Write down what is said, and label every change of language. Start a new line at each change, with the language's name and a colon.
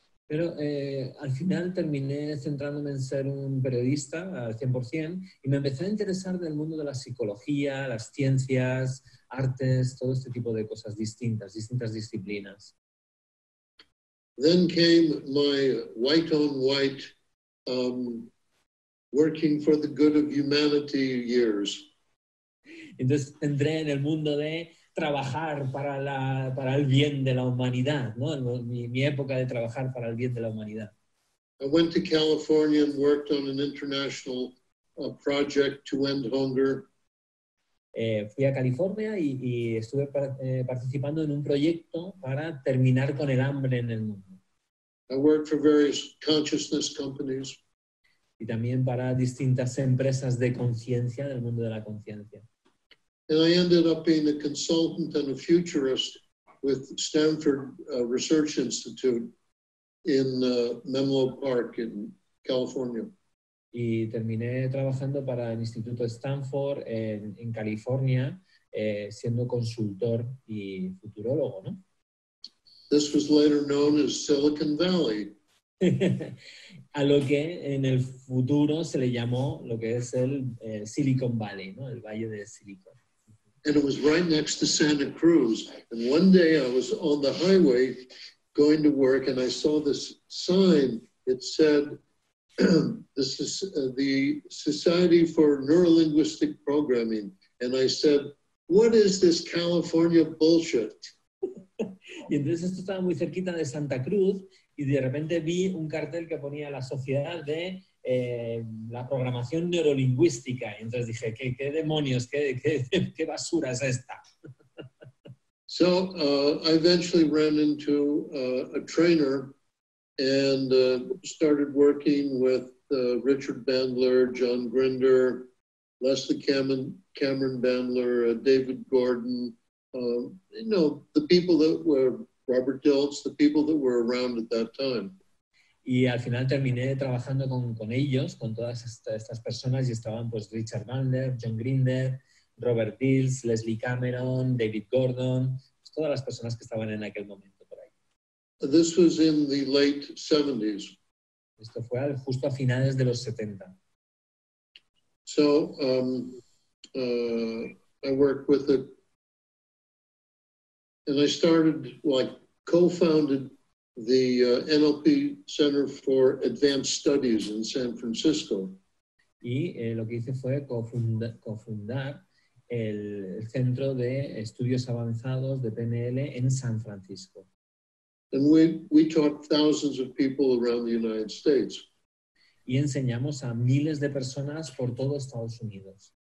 Spanish: Pero al final terminé centrándome en ser un periodista al 100% y me empecé a interesar del mundo de la psicología, las ciencias, artes, todo este tipo de cosas distintas, distintas disciplinas.
English: Then came my white on white, working for the good of humanity years.
Spanish: Entonces entré en el mundo de trabajar para para el bien de la humanidad, ¿no? Mi época de trabajar para el bien de la humanidad.
English: I went to California and worked on an international, project to end hunger.
Spanish: Fui a California y estuve participando en un proyecto para terminar con el hambre en el mundo.
English: I worked for various consciousness companies.
Spanish: Y también para distintas empresas de conciencia, del mundo de la conciencia.
English: And I ended up being a consultant and a futurist with Stanford Research Institute in Menlo Park in California.
Spanish: Y terminé trabajando para el Instituto Stanford en California, siendo consultor y futurólogo, ¿no?
English: This was later known as Silicon Valley.
Spanish: A lo que en el futuro se le llamó lo que es el Silicon Valley, ¿no? El Valle de Silicon.
English: And it was right next to Santa Cruz. And one day I was on the highway going to work and I saw this sign. It said, this is the Society for Neurolinguistic Programming. And I said, what is this California bullshit?
Spanish: Y entonces esto estaba muy cerquita de Santa Cruz y de repente vi un cartel que ponía la Sociedad de la Programación Neurolingüística. Y entonces dije, ¿qué demonios, qué basura es esta?
English: So, I eventually ran into a trainer and started working with Richard Bandler, John Grinder, Leslie Cameron Bandler, David Gordon, you know, the people that were Robert Diltz, the people that were around at that time.
Spanish: Y al final terminé trabajando con ellos, con todas estas personas, y estaban pues Richard Bandler, John Grinder, Robert Diltz, Leslie Cameron, David Gordon, pues, todas las personas que estaban en aquel momento por ahí.
English: This was in the late 70s.
Spanish: Esto fue justo a finales de los 70.
English: So, I worked with a and I started, like, co-founded the NLP Center for Advanced Studies in San Francisco.
Spanish: Y lo que hice fue cofundar el Centro de Estudios Avanzados de PNL en San Francisco.
English: And we taught thousands of people around the United States.
Spanish: Y enseñamos a miles de personas por todo Estados Unidos.